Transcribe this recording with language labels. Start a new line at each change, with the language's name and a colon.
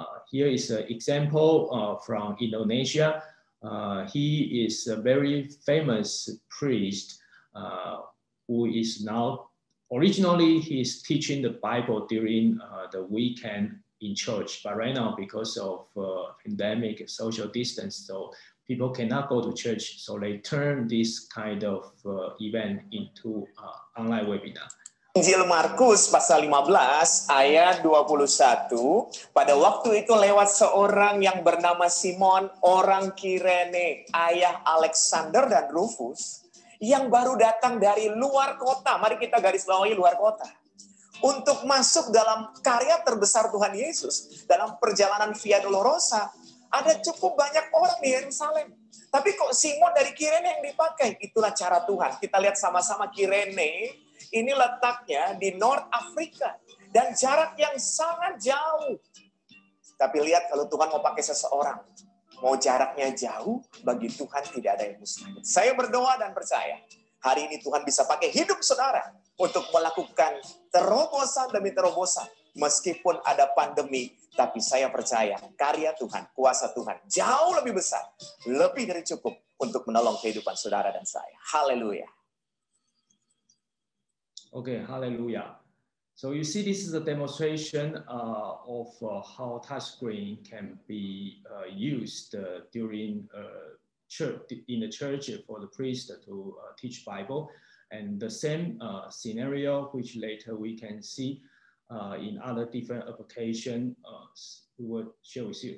English: Here is an example from Indonesia. He is a very famous priest who is now, originally he is teaching the Bible during the weekend in church, but right now because of pandemic, social distance, so people cannot go to church, so they turn this kind of event into online webinar.
Indonesian: Injil Markus pasal 15 ayat 21, pada waktu itu lewat seorang yang bernama Simon, orang Kirene, ayah Alexander dan Rufus, yang baru datang dari luar kota, mari kita garis bawahi luar kota, untuk masuk dalam karya terbesar Tuhan Yesus, dalam perjalanan Via Dolorosa, ada cukup banyak orang di Yerusalem. Tapi kok Simon dari Kirene yang dipakai? Itulah cara Tuhan. Kita lihat sama-sama Kirene, ini letaknya di North Africa dan jarak yang sangat jauh. Tapi lihat kalau Tuhan mau pakai seseorang, mau jaraknya jauh, bagi Tuhan tidak ada yang mustahil. Saya berdoa dan percaya, hari ini Tuhan bisa pakai hidup saudara untuk melakukan terobosan demi terobosan. Meskipun ada pandemi, tapi saya percaya karya Tuhan, kuasa Tuhan jauh lebih besar, lebih dari cukup untuk menolong kehidupan saudara dan saya. Haleluya.
English: Okay, hallelujah. So you see, this is a demonstration of how touchscreen can be used during in the church for the priest to teach Bible. And the same scenario, which later we can see in other different applications, we will share with you.